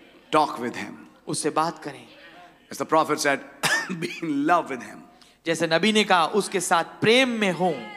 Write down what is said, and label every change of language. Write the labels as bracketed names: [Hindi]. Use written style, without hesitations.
[English] Talk with Him. [Hindi] उससे बात करें. [English] As the prophet said, be in love with Him. [Hindi] जैसे नबी ने कहा, उसके साथ प्रेम में हों.